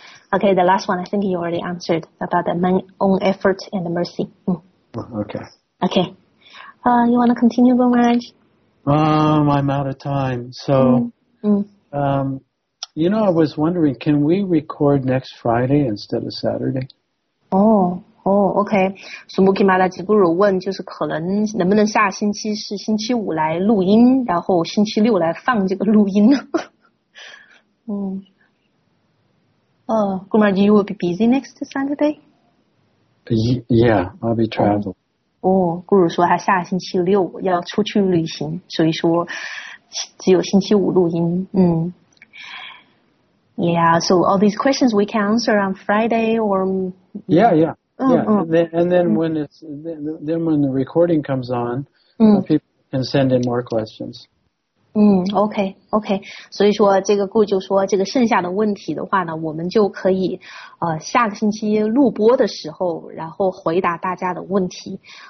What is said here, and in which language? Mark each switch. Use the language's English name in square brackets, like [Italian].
[English] Okay. The last one, I think you already answered about the man's own effort and mercy. Okay. Okay. You want to continue, Gomaraj? I'm out of time. So, you know, I was wondering, can we record next Friday instead of Saturday? Okay. [Chinese] 苏穆基玛拉吉布鲁问，就是可能能不能下星期是星期五来录音，然后星期六来放这个录音呢？ [English] Gumar, you will be busy next Saturday? Yeah, I'll be traveling. [Chinese] Guru 说他下星期六要出去旅行，所以说只有星期五录音。 [English] Yeah, so all these questions we can answer on Friday or... And then when the recording comes on, people can send in more questions. [Chinese] OK, 所以说这个顾就说这个剩下的问题的话呢，我们就可以下个星期录播的时候然后回答大家的问题。